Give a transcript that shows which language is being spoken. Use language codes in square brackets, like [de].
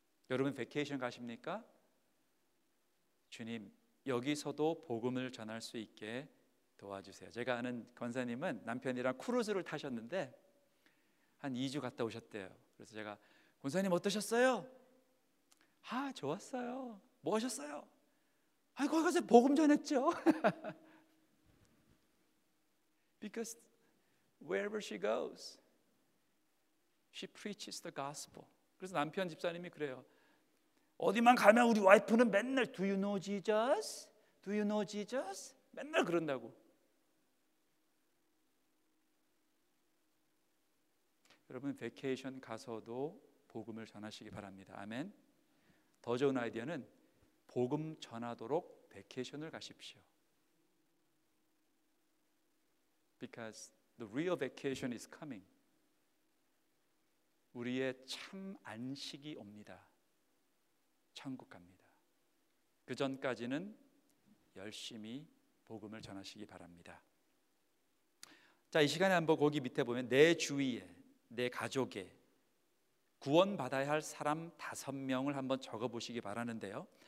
[ko] 여러분 베케이션 가십니까? 주님, 여기서도 복음을 전할 수 있게 도와주세요. 제가 아는 권사님은 남편이랑 크루즈를 타셨는데 한 2주 갔다 오셨대요. 그래서 제가 권사님 어떠셨어요? 아, 좋았어요. 뭐 하셨어요? 아, 거기 가서 복음 전했죠. [en] Because wherever she goes, she preaches the gospel. [ko] 그래서 남편 집사님이 그래요. 어디만 가면 우리 와이프는 맨날 [en] Do you know Jesus? Do you know Jesus? [ko] 맨날 그런다고. 여러분 베케이션 가서도 복음을 전하시기 바랍니다. 아멘. 더 좋은 아이디어는 복음 전하도록 베케이션을 가십시오. [en] Because the real vacation is coming. [ko] 우리의 참 안식이 옵니다. 천국 갑니다. 그 전까지는 열심히 복음을 전하시기 바랍니다. 자, 이 시간에 한번 거기 밑에 보면 내 주위에, 내 가족에 구원받아야 할 사람 다섯 명을 한번 적어보시기 바라는데요.